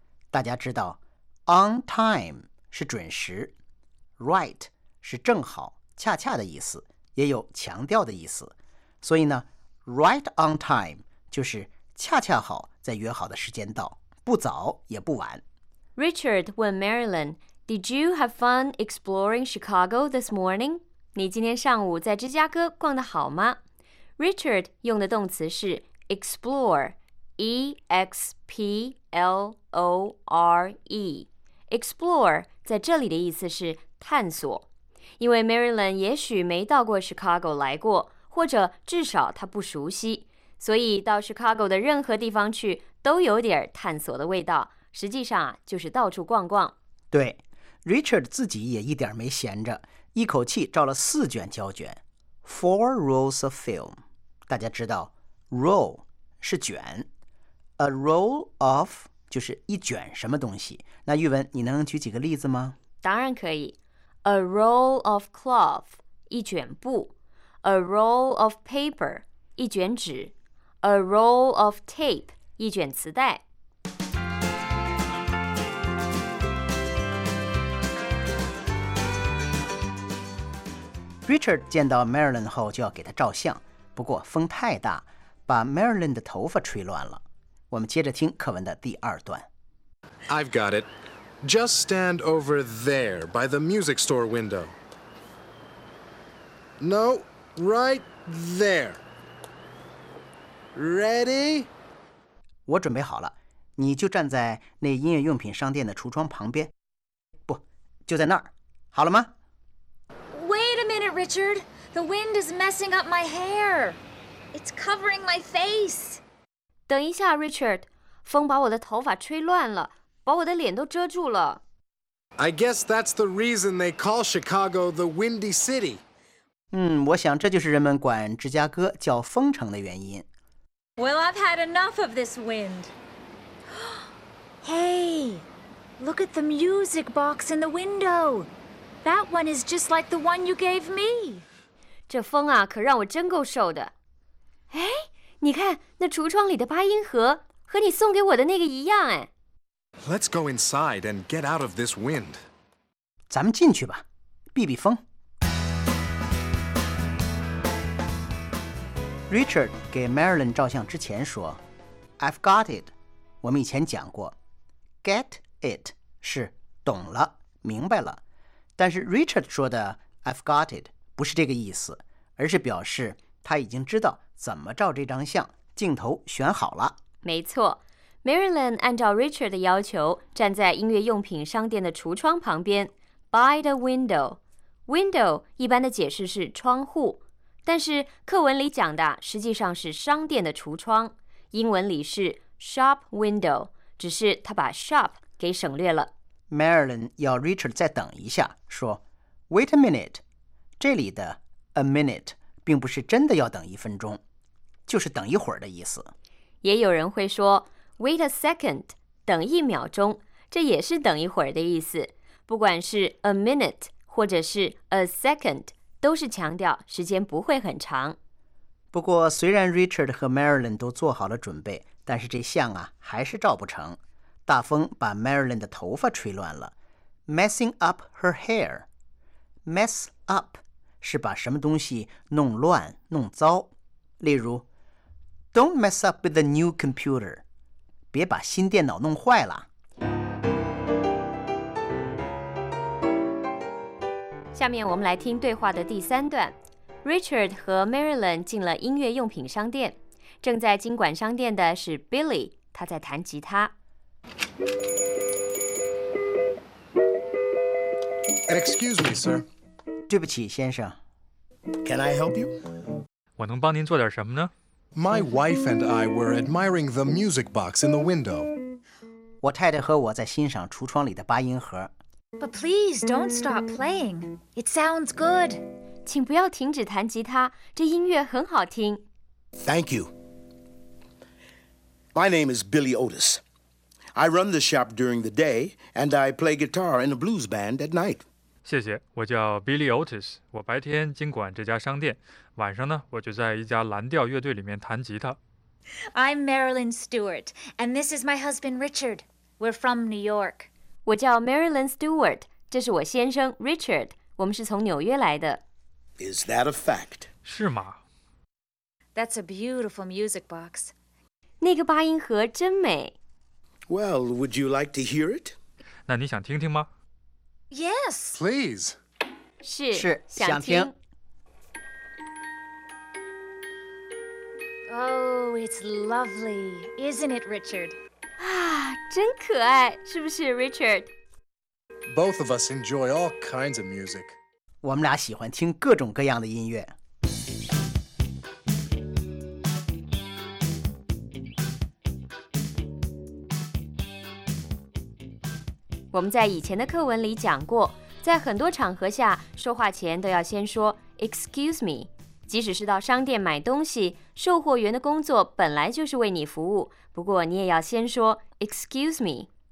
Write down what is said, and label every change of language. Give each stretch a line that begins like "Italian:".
Chinese: 大家知道 ，on time 是准时 ，right 是正好、恰恰的意思。也有强调的意思，所以呢 ，
English: right on time
Chinese: 就是恰恰好在约好的时间到，不早也不晚。
English: Richard 问 Marilyn, "Did you have fun exploring Chicago this morning?"
Chinese: 你今天上午在芝加哥逛得好吗 ？Richard 用的动词是 explore, explore 在这里的意思是探索。因为 Marilyn 也许没到过 Chicago 来过，或者至少她不熟悉，所以到 Chicago 的任何地方去都有点探索的味道，实际上啊，就是到处逛逛。对， Richard 自己也一点没闲着，一口气照了四卷胶卷，
English: 4 rolls of film。
Chinese: 大家知道 roll 是卷， a roll of 就是一卷什么东西。那玉文，你能举几个例子吗？当然可以。
English: A roll of cloth,
Chinese: 一卷布。
English: A roll of paper,
Chinese: 一卷纸。
English: A roll of tape,
Chinese: 一卷磁带。 Richard 见到 Marilyn 后就要给她照相，不过风太大，把 Marilyn 的头发吹乱了。我们接着听课文的第二段。
English: I've got it. Just stand over there by the music store window. No, right there. Ready?
Chinese: 我准备好了，你就站在那音乐用品商店的橱窗旁边。不，就在那儿。好了吗？
English: Wait a minute, Richard. The wind is messing up my hair. It's covering my face.
Chinese: 等一下 ，Richard， 风把我的头发吹乱了。把我的脸都遮住了。
English: I guess that's the reason they call Chicago the Windy City.
Chinese: 嗯，我想这就是人们管芝加哥叫风城的原因。
English: Well, I've had enough of this wind. Hey, look at the music box in the window. That one is just like the one you gave me.
Chinese: 这风啊，可让我真够受的。哎，你看那橱窗里的八音盒，和你送给我的那个一样哎。
English: Let's go inside and get out of this wind.
Chinese: 咱们进去吧，避避风。 Richard 给 Marilyn 照相之前说 ，
English: I've got it.
Chinese: 我们以前讲过 ，get it 是懂了、明白了。但是 Richard 说的
English: I've got it
Chinese: 不是这个意思，而是表示他已经知道怎么照这张相，镜头选好了。没错。 Marilyn 按照 Richard 的要求站在音乐用品商店的橱窗旁边
English: by the window.
Chinese: Window 一般的解释是窗户，但是课文里讲的实际上是商店的橱窗，英文里是
English: shop window,
Chinese: 只是他把 shop 给省略了。 Marilyn 要 Richard 再等一下，说
English: Wait a minute。
Chinese: 这里的 a minute 并不是真的要等一分钟，就是等一会儿的意思。也有人会说
English: Wait a second，
Chinese: 等一秒钟，这也是等一会儿的意思。不管是 a minute 或者是 a second， 都是强调时间不会很长。不过虽然 Richard 和 Marilyn 都做好了准备，但是这像啊还是照不成。大风把 Marilyn 的头发吹乱了，
English: messing up her hair。
Chinese: mess up 是把什么东西弄乱弄糟，例如
English: Don't mess up with the new computer，
Chinese: 别把新电脑弄坏了。下面我们来听对话的第三段。Richard 和 Marilyn 进了音乐用品商店，正在经管商店的是 Billy， 他在弹吉他。
English: Excuse me, sir.
Chinese: 对不起，先生。
English: Can I help you?
Chinese: 我能帮您做点什么呢？
English: My wife and I were admiring the music box in the window.
Chinese: 我太太和我在欣赏橱窗里的八音盒。
English: But please don't stop playing. It sounds good.
Chinese: 请不要停止弹吉他，这音乐很好听。
English: Thank you. My name is Billy Otis. I run the shop during the day, and I play guitar in a blues band at night.
Chinese: 谢谢，我叫 Billy Otis， 我白天经管这家商店，晚上呢，我就在一家蓝调乐队里面弹吉他。
English: I'm Marilyn Stewart, and this is my husband Richard. We're from New York.
Chinese: 我叫 Marilyn Stewart， 这是我先生 Richard， 我们是从纽约来的。
English: Is that a fact?
Chinese: 是吗？
English: That's a beautiful music box.
Chinese: 那个八音盒真美。
English: Well, would you like to hear it?
Chinese: 那你想听听吗？
English: Yes. Please.
Chinese: 是想听。
English: Oh, it's lovely, isn't it, Richard?
Chinese: 真可爱，是不是 Richard?
English: Both of us enjoy all kinds of music.
Chinese: 我们俩喜欢听各种各样的音乐。我们在以前的课文里讲过，在很多场合下说话前都要先说
English: excuse me，
Chinese: 即使是到商店买东西，售货员的工作本来就是为你服务，不过你也要先说 excuse me。